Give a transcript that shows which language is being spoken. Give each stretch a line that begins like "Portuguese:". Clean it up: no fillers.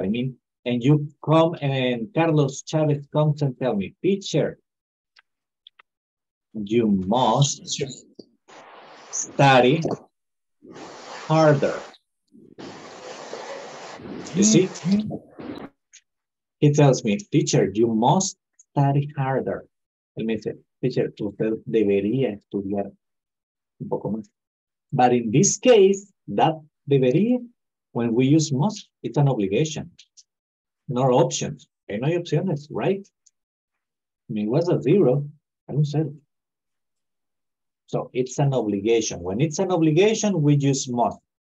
English: I mean, and you come and Carlos Chavez comes and tell me, teacher, you must study harder. You see? He tells me, teacher, you must study harder.
Spanish: Él me dice, teacher, usted debería estudiar un poco más.
English: But in this case, that debería, when we use must, it's an obligation, not options. Okay,
Spanish: no hay opciones,
English: right? I mean, it was a zero, I don't say it. So it's an obligation. When it's an obligation, we use must.